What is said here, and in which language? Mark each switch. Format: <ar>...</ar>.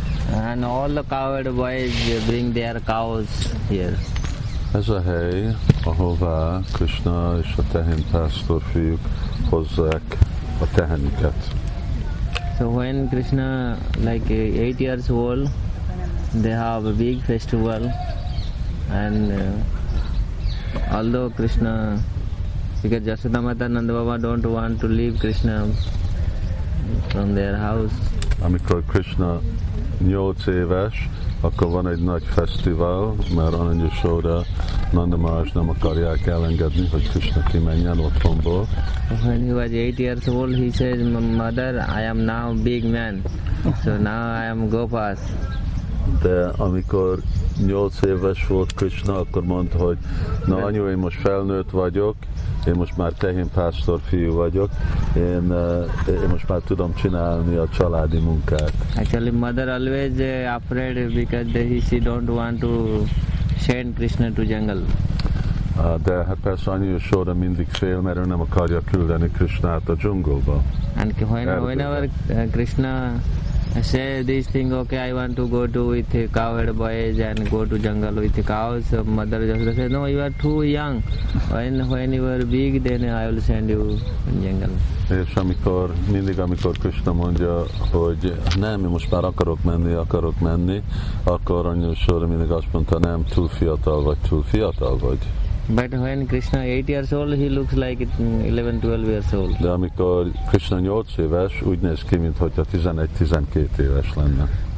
<en>And all the cowherd boys bring their cows here.</en> <hu>Ez a hely, ahová Krishna és a tehén pásztor fiúk hozzák a tehenüket.</hu> <en>So when Krishna like 8 years old, they have a big festival, and although Krishna, because Yashoda Mata and Nanda Baba don't want to leave Krishna from their house.</en> <hu>Amikor Krishna 8 éves, akkor van egy nagy fesztivál, mert Anandya Yashoda, Nanda Maharaj nem akarják elengedni, hogy Krishna kimenjen otthonból.</hu> <en>When he was 8 years old, he says, "Mother, I am now big man, so now I am Gopas."</en> <hu>De amikor 8 éves volt Krishna, akkor mondta, hogy na anyu, én most felnőtt vagyok, én most már tehén pásztor fiú vagyok, én most már tudom csinálni a családi munkát.</hu> <en>Actually, mother always afraid because she don't want to send Krishna to jungle.</en> <hu>De hát persze anyu Yashoda mindig fél, mert ő nem akarja küldeni Krishnát a dzsungolba.</hu> <en>And whenever Krishna say this thing, okay, I want to go to with cowherd boys and go to jungle with cows. Mother Yashoda says, no, you are too young. When you are big, then I will send you to jungle.</en> <hu>És amikor, mindig amikor Krishna mondja, hogy nem, most már akarok menni, akkor anyu Yashoda mindig azt mondta, nem, túl fiatal vagy.</hu> <en>But when Krishna 8 years old, he looks like 11-12 years old.</en> <hu>De amikor Krishna 8 éves, úgy néz ki, mint hogyha 11-12 éves lenne.</hu>